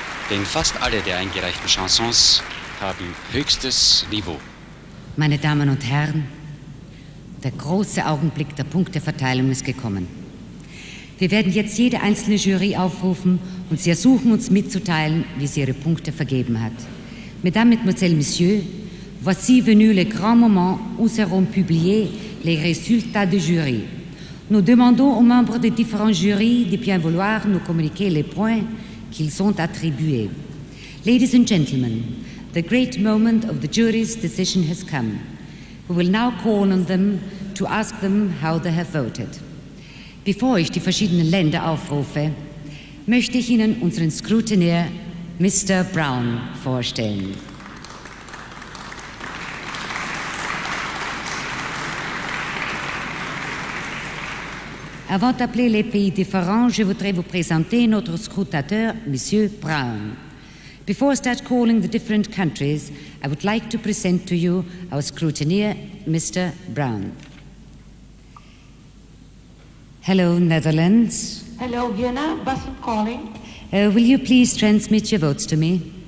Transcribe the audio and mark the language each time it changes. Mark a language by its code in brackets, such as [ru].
[de] Denn fast alle der eingereichten Chansons haben höchstes Niveau. Meine Damen und Herren, der große Augenblick der Punkteverteilung ist gekommen. Wir werden jetzt jede einzelne Jury aufrufen und sie ersuchen, uns mitzuteilen, wie sie ihre Punkte vergeben hat. [fr] Mesdames, Mesdemoiselles, Messieurs, voici venu le grand moment où seront publiés les résultats du jury. Nous demandons aux membres des différents jurys de bien vouloir nous communiquer les points qu'ils ont attribués. [en] Ladies and gentlemen, the great moment of the jury's decision has come. We will now call on them to ask them how they have voted. [de] Bevor ich die verschiedenen Länder aufrufe, möchte ich Ihnen unseren Scrutineer Mr. Brown vorstellen. [fr] Avant d'appeler les pays différents, je voudrais vous présenter notre scrutateur, Monsieur Brown. [en] Before I start calling the different countries, I would like to present to you our scrutineer, Mr. Brown. Hello, Netherlands. Hello, Vienna. Bus is calling. Will you please transmit your votes to me?